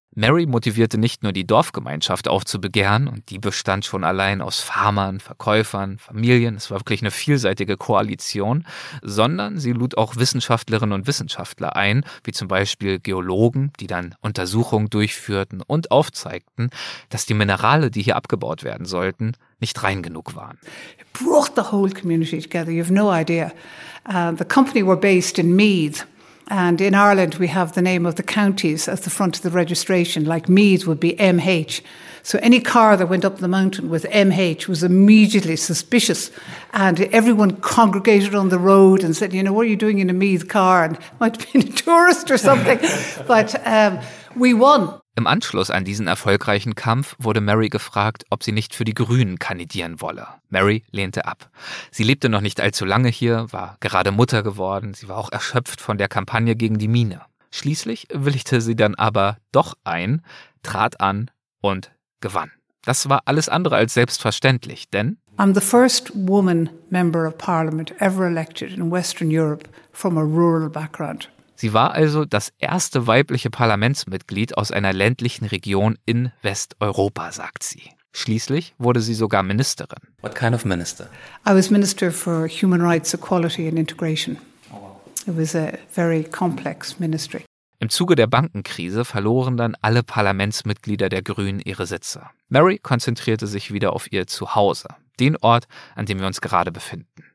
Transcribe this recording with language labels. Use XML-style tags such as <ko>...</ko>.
<de>Mary motivierte nicht nur die Dorfgemeinschaft aufzubegehren, und die bestand schon allein aus Farmern, Verkäufern, Familien, es war wirklich eine vielseitige Koalition, sondern sie lud auch Wissenschaftlerinnen und Wissenschaftler ein, wie zum Beispiel Geologen, die dann Untersuchungen durchführten und aufzeigten, dass die Minerale, die hier abgebaut werden sollten, nicht rein genug waren.</de> <en>It brought the whole community together, you have no idea. The company were based in Meath. And in Ireland, we have the name of the counties at the front of the registration, like Meath would be MH. So any car that went up the mountain with MH was immediately suspicious. And everyone congregated on the road and said, you know, what are you doing in a Meath car? And might have been a tourist or something. But we won.</en> <de>Im Anschluss an diesen erfolgreichen Kampf wurde Mary gefragt, ob sie nicht für die Grünen kandidieren wolle. Mary lehnte ab. Sie lebte noch nicht allzu lange hier, war gerade Mutter geworden, sie war auch erschöpft von der Kampagne gegen die Mine. Schließlich willigte sie dann aber doch ein, trat an und gewann. Das war alles andere als selbstverständlich, denn</de> <en>I'm the first woman member of parliament ever elected in Western Europe from a rural background.</en> <de>Sie war also das erste weibliche Parlamentsmitglied aus einer ländlichen Region in Westeuropa, sagt sie. Schließlich wurde sie sogar Ministerin.</de> <en>What kind of minister? I was minister for human rights, equality and integration. It was a very complex ministry.</en> <de>Im Zuge der Bankenkrise verloren dann alle Parlamentsmitglieder der Grünen ihre Sitze. Mary konzentrierte sich wieder auf ihr Zuhause, den Ort, an dem wir uns gerade befinden.</de>